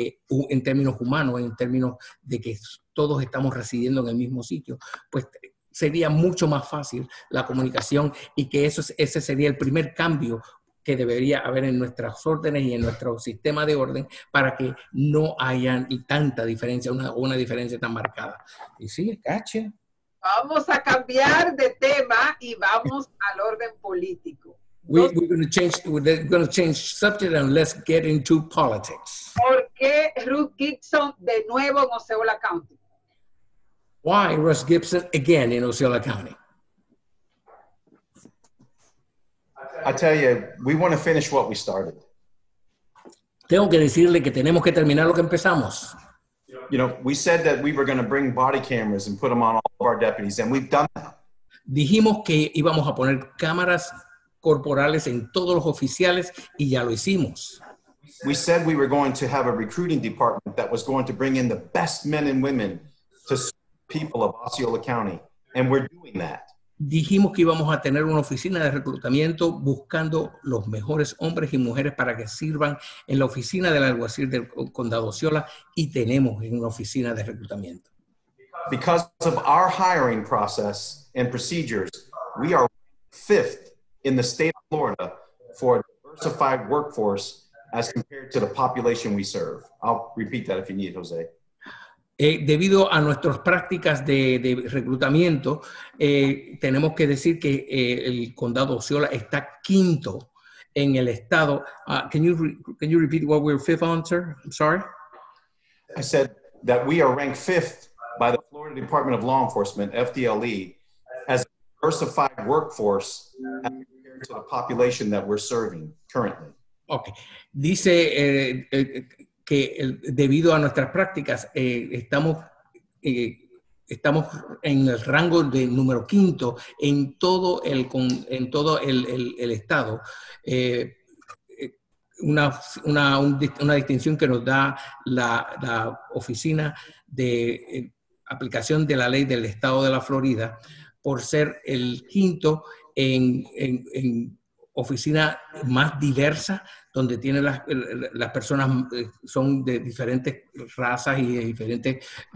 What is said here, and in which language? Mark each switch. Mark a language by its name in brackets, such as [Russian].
[Spanish] humanos, en términos de que todos estamos residiendo en el mismo sitio, pues sería mucho más fácil la comunicación y que ese sería el primer cambio que debería haber en nuestras órdenes y en nuestro sistema de orden para que no haya tanta diferencia, una diferencia tan marcada. Y sí, gotcha. Vamos a cambiar de tema y vamos al orden político. [English] We're going to change subject and let's get into politics. [Spanish] ¿Por qué Ruth Gibson de nuevo en Osceola County? [English] Why Russ Gibson again in Osceola County? I tell you, we want to finish what we started. [Spanish] Tengo que decirle que tenemos que terminar lo que empezamos. [English] You know, we said that we were going to bring body cameras and put them on all of our deputies, and we've done that. [Spanish] Dijimos que íbamos a poner cámaras corporales en todos los oficiales, y ya lo hicimos. [English] We said we were going to have a recruiting department that was going to bring in the best men and women to serve people of Osceola County, and we're doing that. [Spanish] Dijimos que íbamos a tener una oficina de reclutamiento buscando los mejores hombres y mujeres para que sirvan en la oficina del alguacil del condado Osceola y tenemos una oficina de reclutamiento. [English] Because of our hiring process and procedures, we are fifth in the state of Florida for a diversified workforce as compared to the population we serve. I'll repeat that if you need, Jose. [Spanish] Debido a nuestras prácticas de reclutamiento, tenemos que decir que el condado Osceola está quinto en el estado. [English] Can you repeat what we're fifth on, sir? I'm sorry. I said that we are ranked fifth by the Florida Department of Law Enforcement, FDLE, as a diversified workforce as compared to the population that we're serving currently. Okay. [Spanish] Dice que debido a nuestras prácticas estamos en el rango de número quinto en todo el estado, una distinción que nos da la oficina de aplicación de la ley del estado de la Florida por ser el quinto en oficina más diversa, donde tiene las personas son de diferentes razas y de diferentes,